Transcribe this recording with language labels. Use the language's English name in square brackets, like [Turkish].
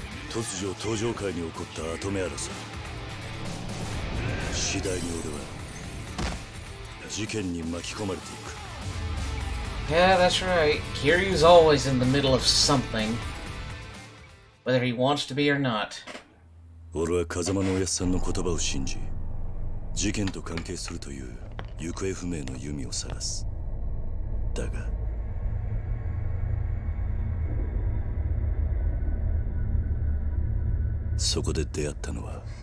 [Japanese] 突如登場会に起こった跡目争い、次第に俺は事件に巻き込まれていく。 [English] Yeah, that's right. Kiryu's always in the middle of something, whether he wants to be or not. [Japanese] 俺は風間のおやっさんの言葉を信じ、事件と関係するという行方不明のユミを探す。だが、そこで出会ったのは、